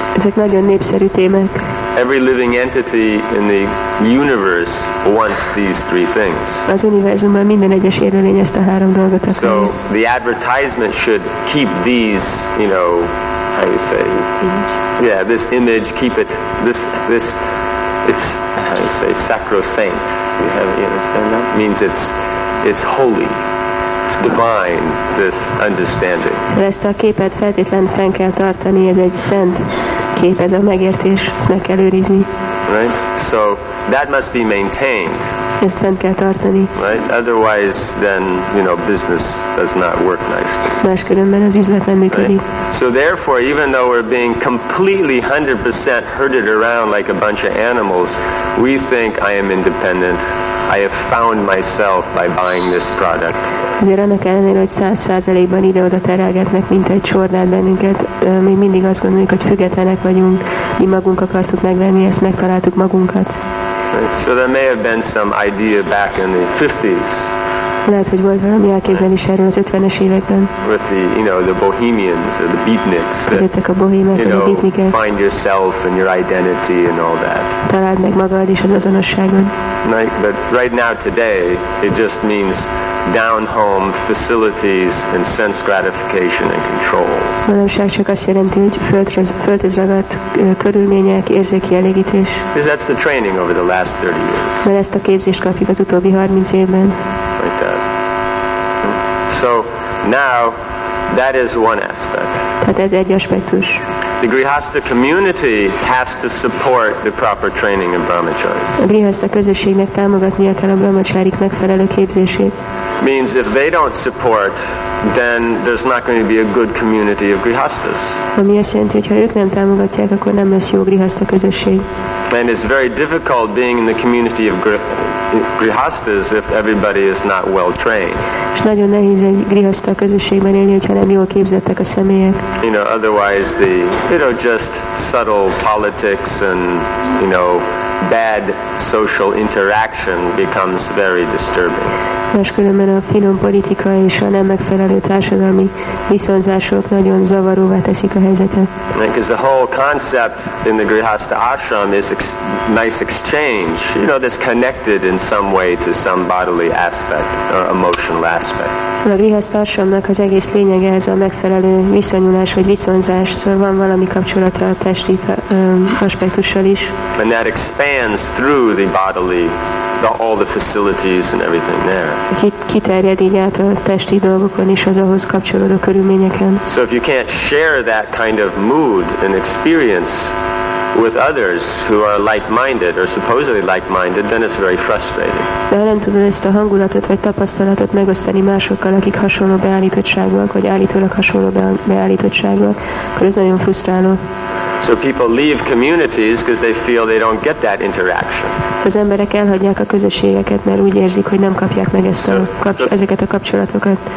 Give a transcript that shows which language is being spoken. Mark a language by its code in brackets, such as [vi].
[hu] Ezek nagyon népszerű témák. [en] Every living entity in the universe wants these three things. [hu] Az univerzumban minden egyes élőlény ezt a három dolgot akarja. [en] So the advertisement should keep these, you know, how you say, yeah, this image, keep it, this, it's, how you say, sacrosanct. You have, you understand that? Means it's holy. It's divine, this understanding. [hu] Ezt a képet feltétlen fenn kell tartani, ez egy szent kép, ez a megértés, ezt meg kell őrizni. [en] Right? So, that must be maintained. [hu] Ezt fenn kell tartani. [en] Right? Otherwise, then, you know, business does not work nicely. [hu] Máskülönben az üzlet nem működik. [en] Right? So therefore, even though we're being completely 100% herded around like a bunch of animals, we think I am independent. I have found myself by buying this product. [hu] Azért annak ellenére, hogy 100%-ban ide-oda terelgetnek, mint egy csordát bennünket, mi mindig azt gondoljuk, hogy függetlenek vagyunk, mi magunk akartuk megvenni, ezt megtaláltuk magunkat. [en] Right. So there may have been some idea back in the 50s. [hu] Lehet, hogy volt valami elképzelés erről az 50-es években. [en] With the, you know, the Bohemians or the Beatniks. [hu] Jöttek a bohémek, a beatnikek. [en] Find yourself and your identity and all that. [hu] Találd meg magad és az azonosságod. [en] Right. But right now today, it just means down home facilities and sense gratification and control. [hu] Manapság csak azt jelenti, hogy földhöz ragadt körülmények, érzéki elégítés. [en] Because that's the training over the last 30 years. [hu] Mert ezt a képzést kapjuk az utóbbi 30 évben. [en] Like that. So now that is one aspect. [hu] Tehát ez egy aspektus. [en] The Grihastha community has to support the proper training of brahmacharis. [hu] A Grihastha közösségnek támogatnia kell a brahmacharik megfelelő képzését. [en] Means if they don't support, then there's not going to be a good community of grihasthas. [hu] Ami azt jelenti, hogy ha ők nem támogatják, akkor nem lesz jó grihastha közösség. [en] And it's very difficult being in the community of grihasthas if everybody is not well trained. [hu] És nagyon nehéz egy grihastha közösségben élni, hogyha nem jól képzettek a személyek. [en] You know, otherwise the, you know, just subtle politics and, you know, bad social interaction becomes very disturbing. [hu] Máskülönben a finom politika és a nem megfelelő társadalmi viszonzások nagyon zavaróvá teszik a helyzetet. [en] Because the whole concept in the Grihastha ashram is nice exchange, you know, that's connected in some way to some bodily aspect or emotional aspect. [hu] Szóval a Grihastha ashramnak az egész lényege ez a megfelelő viszonyulás vagy viszonzás, szóval van valami kapcsolata a testi aspektussal is. [en] And that expands through the bodily, all the facilities and everything there. [hu] Kiterjed így át a testi dolgokon és az ahhoz kapcsolódó körülményeken. [en] So if you can't share that kind of mood and experience with others who are like-minded or supposedly like-minded, then it's very frustrating. [hu] De ha nem tudod ezt a hangulatot vagy tapasztalatot megosztani másokkal, akik hasonló beállítottságúak vagy állítólag hasonló beállítottságúak, akkor ez nagyon frusztráló. [en] So people leave communities because they feel they don't get that interaction. [hu] Az emberek elhagyják a közösségeket, mert úgy érzik, hogy nem kapják meg ezt a ezeket a kapcsolatokat.